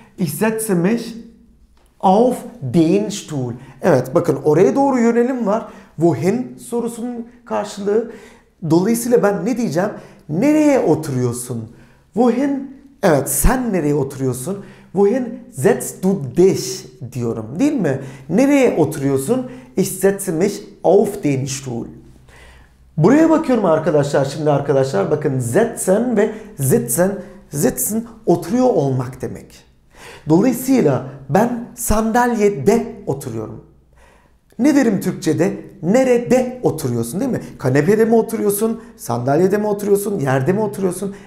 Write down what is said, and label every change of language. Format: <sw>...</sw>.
<de>Ich setze mich auf den Stuhl.</de> <tr>Evet bakın oraya doğru yönelim var. Wohin sorusunun karşılığı. Dolayısıyla ben ne diyeceğim? Nereye oturuyorsun? Wohin? Evet, sen nereye oturuyorsun?</tr> <de>Wohin setzt du dich</de> <tr>diyorum, değil mi? Nereye oturuyorsun?</tr> <de>Ich setze mich auf den Stuhl.</de> <tr>Buraya bakıyorum arkadaşlar. Şimdi arkadaşlar bakın setzen ve sitzen, sitzen oturuyor olmak demek. Dolayısıyla ben sandalyede oturuyorum. Ne derim Türkçe'de? Nerede oturuyorsun, değil mi? Kanepede mi oturuyorsun? Sandalyede mi oturuyorsun? Yerde mi oturuyorsun?</tr>